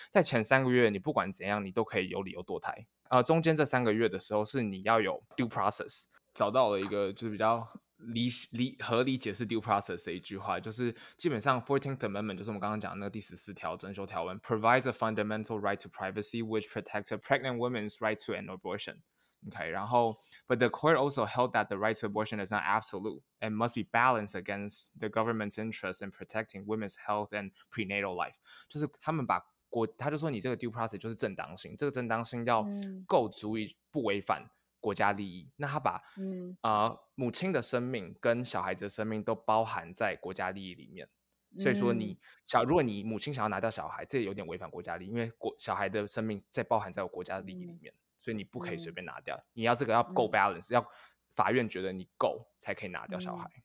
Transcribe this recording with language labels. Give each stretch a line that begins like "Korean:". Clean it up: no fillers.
Chinese: 在前三个月你不管怎样你都可以有理由堕胎，中间这三个月的时候是你要有 due process， 找到了一个就是比较合理解释 due process 的一句话，就是基本上 14th Amendment 就是我们刚刚讲的那个第十四条征修条文
English: provides a fundamental right to privacy which protects a pregnant woman's right to an abortion， Okay, 然后 But the court also held that the right to abortion is not absolute and must be balanced against the government's interest in protecting women's health and prenatal life.
Chinese: 就是他们把国他就说你这个 due process 就是正当性，这个正当性要够足以不违反国家利益。那他把母亲的生命跟小孩子的生命都包含在国家利益里面，所以说你小如果你母亲想要拿掉小孩，这也有点违反国家利益，因为小孩的生命在包含在我国家利益里面，所以你不可以随便拿掉，你要这个要够 balance， 要法院觉得你够才可以拿掉小孩。